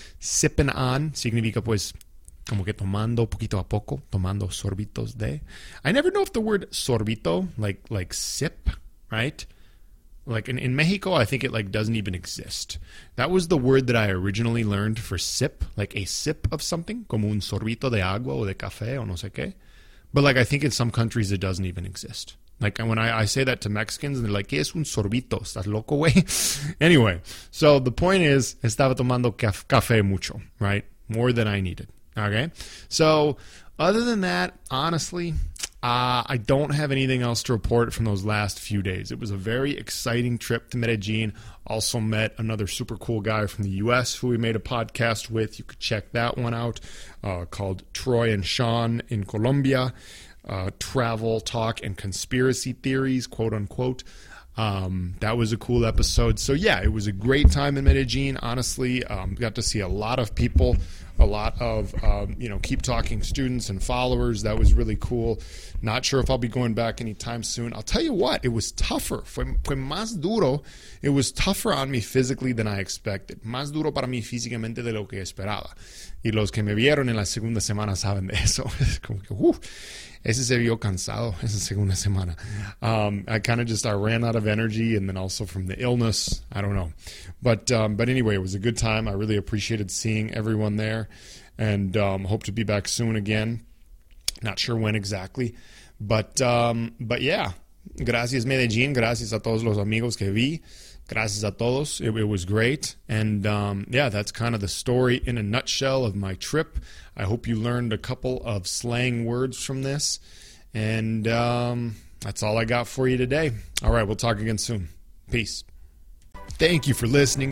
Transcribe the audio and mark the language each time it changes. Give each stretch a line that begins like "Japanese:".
Spanish: Sipping on significa, pues, como que tomando poquito a poco, tomando sorbitos de.
English: I never know if the word sorbito, like sip, right? Like, in Mexico, I think it, like, doesn't even exist. That was the word that I originally learned for sip. Like, a sip of something.
Spanish: Como un sorbito de agua o de café o no sé qué.
English: But, like, I think in some countries it doesn't even exist. Like, when I say that to Mexicans, and they're like,
Spanish: ¿qué es un sorbito? ¿Estás loco, güey?
English: Anyway, so the point is,
Spanish: estaba tomando café mucho,
English: right? More than I needed, okay? So, other than that, honestly... I don't have anything else to report from those last few days. It was a very exciting trip to Medellin. Also met another super cool guy from the U.S. who we made a podcast with. You could check that one out, called Troy and Sean in Colombia. Travel, talk, and conspiracy theories, quote unquote. That was a cool episode. So yeah, it was a great time in Medellin. Honestly, got to see a lot of people, a lot of, you know, Keep Talking students and followers. That was really cool. Not sure if I'll be going back anytime soon. I'll tell you what, it was tougher.
Spanish: Fue más duro.
English: It was tougher on me physically than I expected.
Spanish: Más duro para mí físicamente de lo que esperaba. Y los que me vieron en la segunda semana saben de eso. Como que, uff. Ese se vio cansado esa segunda semana.
English: I ran out of energy, and then also from the illness, I don't know. But anyway, it was a good time. I really appreciated seeing everyone there, and hope to be back soon again. Not sure when exactly, but yeah.
Spanish: Gracias Medellín, gracias a todos los amigos que vi. Gracias a todos.
English: It was great. And that's kind of the story in a nutshell of my trip. I hope you learned a couple of slang words from this. And that's all I got for you today. All right, we'll talk again soon. Peace. Thank you for listening.